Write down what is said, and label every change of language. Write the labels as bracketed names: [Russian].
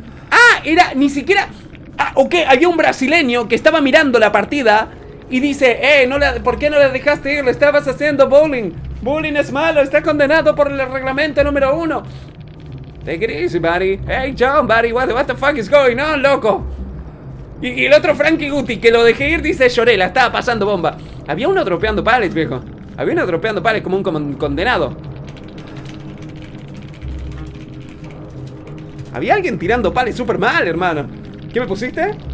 [Spanish] ¡Ah! Era, ni siquiera. Ah, ok, había un brasileño que estaba mirando la partida y dice, no la, ¿por qué no la dejaste ir? Le estabas haciendo bullying. Bullying es malo, está condenado por el reglamento número uno. [English] Take it easy, buddy. Hey, John, buddy, what the fuck is going on, loco? [Spanish] Y el otro Frankie Guti, que lo dejé ir, dice, lloré, la estaba pasando bomba. Había uno dropeando pallets, viejo. Había uno dropeando pallets como un condenado. Había alguien tirando pales súper mal, hermano. ¿Qué me pusiste?